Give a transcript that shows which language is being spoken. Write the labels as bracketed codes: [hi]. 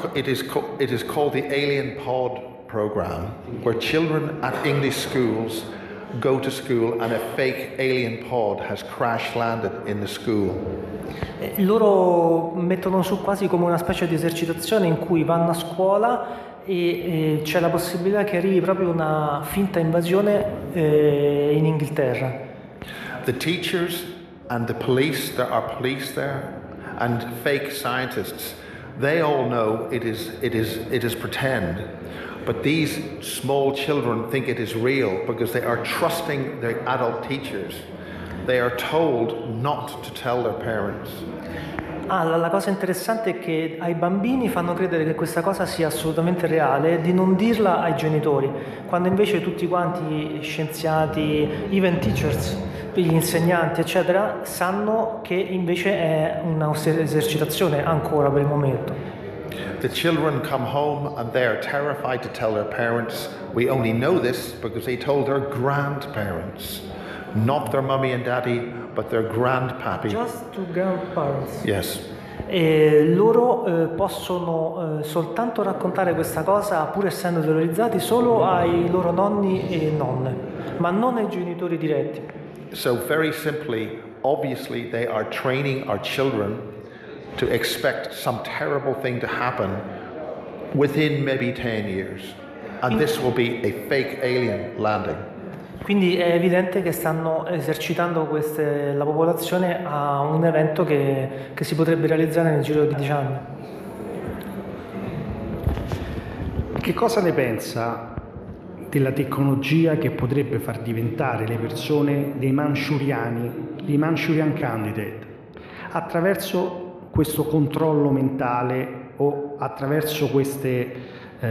[en] It is called the Alien Pod Program, where children at English schools go to school and a fake alien pod has crash landed in the school. [it] Loro mettono su quasi come una specie di esercitazione in cui vanno a scuola e c'è la possibilità che arrivi proprio una finta invasione in Inghilterra. [en] The teachers and the police, there are police there, and fake scientists, they all know it is pretend. But these small children think it is real because they are trusting their adult teachers. They are told not to tell their parents. [it] Ah, la cosa interessante è che ai bambini fanno credere che questa cosa sia assolutamente reale, di non dirla ai genitori, quando invece tutti quanti scienziati, [en] even teachers, [it] gli insegnanti, eccetera, sanno che invece è un'esercitazione ancora per il momento. [en] The children come home and they are terrified to tell their parents. We only know this because they told their grandparents. Not their mummy and daddy, but their grandpappy. Just to grandparents. Yes. [it] E loro possono soltanto raccontare questa cosa, pur essendo terrorizzati, solo ai loro nonni e nonne, ma non ai genitori diretti. [en] So very simply, obviously they are training our children to expect some terrible thing to happen within maybe 10 years. And this will be a fake alien landing. [it] Quindi è evidente che stanno esercitando la popolazione a un evento che si potrebbe realizzare nel giro di 10 anni. Che cosa ne pensa della tecnologia che potrebbe far diventare le persone dei manciuriani, dei Manchurian Candidate, attraverso questo controllo mentale o attraverso queste